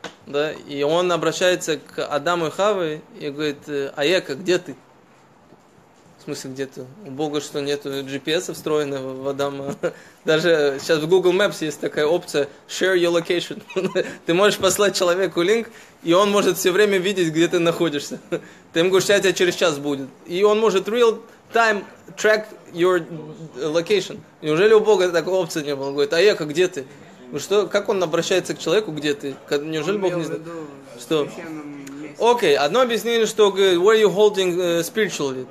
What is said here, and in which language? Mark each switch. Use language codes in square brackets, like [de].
[ru] Да, и он обращается к Адаму и Хаве и говорит, Аека, где ты? В смысле, где ты? У Бога что, нету GPS встроенного в Адама? Даже сейчас в Google Maps есть такая опция, [en] share your location. [ru] Ты можешь послать человеку линк, и он может все время видеть, где ты находишься. Ты ему говоришь, что у тебя через час будет. И он может [en] real time track your location. [ru] Неужели у Бога такой опции не было? Он говорит, Аека, где ты? Ну что, как он обращается к человеку, где ты? Неужели он Бог не знает? Что? Окей, одно объяснение, что [en] where are you holding spiritually?